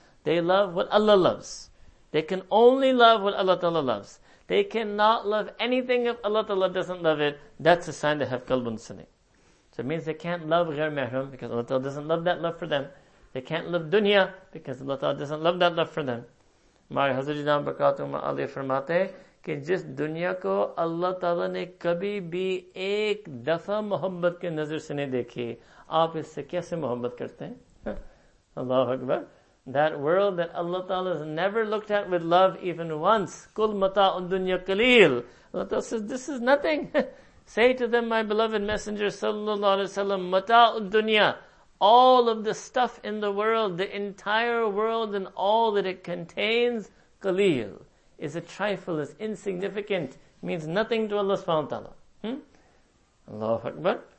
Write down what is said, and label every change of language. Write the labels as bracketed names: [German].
[English] They love what Allah loves. They can only love what Allah Ta'ala loves. They cannot love anything if Allah Ta'ala doesn't love it. That's a sign to have Qalbun Saleem. So it means they can't love Ghair Mahram because Allah Ta'ala doesn't love that love for them. They can't love dunya because Allah Ta'ala doesn't love that love for them. My [Urdu] حضرت جنہ بکتم علی فرماتے، کہ جس دنیا کو اللہ تعالیٰ نے کبھی بھی ایک دفعہ محبت کے نظر سے نے دیکھی، آپ اسسے کیسے محبت کرتے ہیں؟ [English] Allahu Akbar. That world that Allah Ta'ala has never looked at with love even once. [Arabic] Kul mata'un dunya qaleel. [English] Allah Ta'ala says, this is nothing. Say to them, my beloved messenger, sallallahu alayhi wa sallam, mata'ud dunya, all of the stuff in the world, the entire world and all that it contains, qaleel, is a trifle, is insignificant, means nothing to Allah subhanahu wa ta'ala. Allahu Akbar.